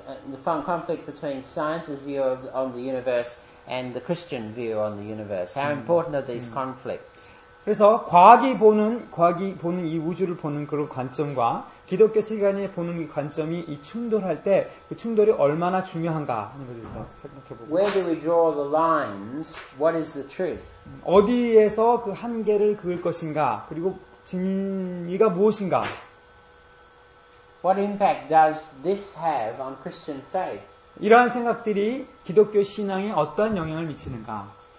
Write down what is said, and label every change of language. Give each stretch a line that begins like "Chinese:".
English: The conflict between science's view on the universe and the Christian view on the universe. How important are these conflicts?
Korean: 그래서 과학이 보는 이 우주를 보는 그런 관점과 기독교 세계관이 보는 이 관점이 이 충돌할 때 그 충돌이 얼마나 중요한가 하는 것에 대해서 생각해보고.
English: Where do we draw the lines? What is the truth?
Korean: 어디에서 그 한계를 그을 것인가? 그리고 진리가 무엇인가?
English: What impact does this have on Christian faith?
Korean: 이러한 생각들이 기독교 신앙에 어떤 영향을 미치는가?